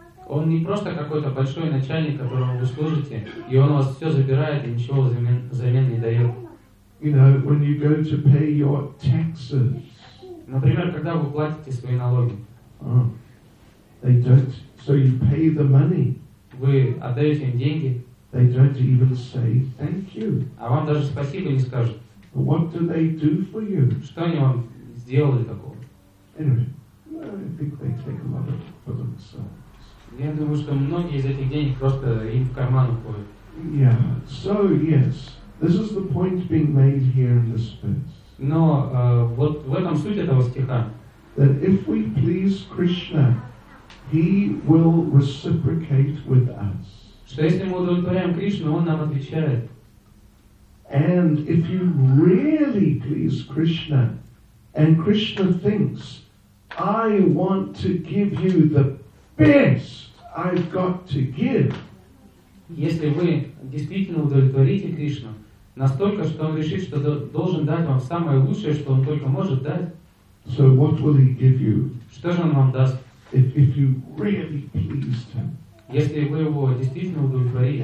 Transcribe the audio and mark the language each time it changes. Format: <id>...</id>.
<ru>Он не просто какой-то большой начальник, которому вы служите, и он у вас все забирает и ничего взамен не дает.</ru> <en>You know, when you go to pay your taxes.</en> <ru>Например, когда вы платите свои налоги.</ru> <en>They don't. So you pay the money.</en> <ru>Вы отдаете им деньги.</ru> <en>They don't even say thank you.</en> <ru>А вам даже спасибо не скажут.</ru> <en>What do they do for you?</en> <ru>Что они вам сделали такого?</ru> <en>Anyway, I think they take a lot of it for themselves.</en> <ru>Я думаю, что многие из этих денег просто им в карман уходят.</ru> <en>Yeah. So yes, this is the point being made here in this verse.</en> <ru>Но вот в этом суть этого стиха.</ru> <en>That if we please Krishna, he will reciprocate with us.</en> <ru>Что если мы удовлетворяем Кришну, он нам отвечает.</ru> <en>And if you really please Krishna, and Krishna thinks, I want to give you the best I've got to give.</en> <ru>Если вы действительно удовлетворите Кришну настолько, что он решит, что должен дать вам самое лучшее, что он только может дать.</ru> <en>So what will he give you?</en> <ru>Что же он вам даст?</ru> <en>If you really pleased him.</en> <ru>Если вы его действительно удовлетворите.</ru>